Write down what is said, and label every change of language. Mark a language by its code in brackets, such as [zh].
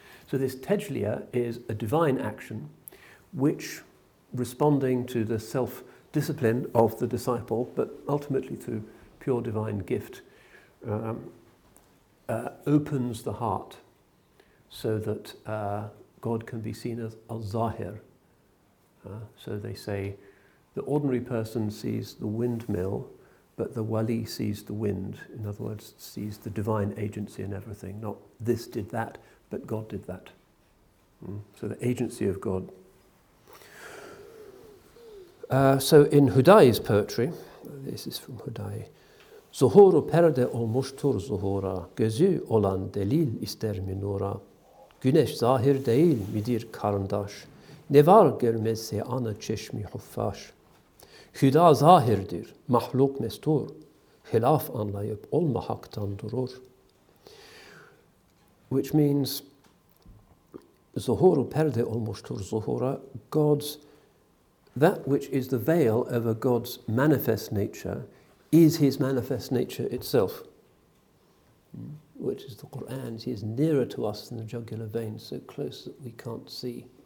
[en] So this tejliya is a divine action which, responding to the self-discipline of the disciple, but ultimately through pure divine gift, opens the heart so that God can be seen as al-zahir. So they say the ordinary person sees the windmill, but the wali sees the wind. In other words, sees the divine agency in everything. Not this did that, but God did that. So the agency of God. So in Hudayi's poetry, this is from Hudayi, [tr] Zuhuru perde olmuştur zuhura, gözü olan delil ister minura, güneş zahir değil midir karındaş, ne var görmezse ana çeşmi huffaş, Hüda zahirdir, mahluk mestur, hilaf anlayıp olma haktan durur. [en] Which means, [tr] Zuhuru perde olmuştur zuhura, [en] God's, that which is the veil over God's manifest nature is his manifest nature itself. Which is the Qur'an. He is nearer to us than the jugular vein, so close that we can't see.